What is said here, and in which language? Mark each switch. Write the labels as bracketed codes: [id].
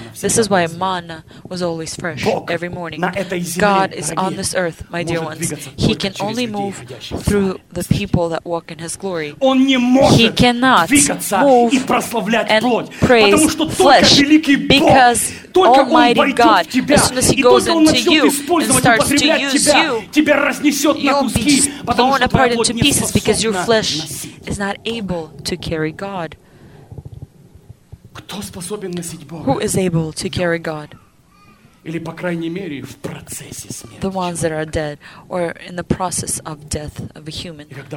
[en] This is why manna was always fresh every morning. God is on this earth, my dear ones. He can only move through the people that walk in His glory. [ru] Он не может двигаться и прославлять плоть, потому что только великий Бог. Только [en] Almighty God, as soon as He goes into you and starts to use you, you'll be blown apart into pieces because your flesh is not able to carry God. Who is able to carry God? The ones that are dead or in the process of death of a human.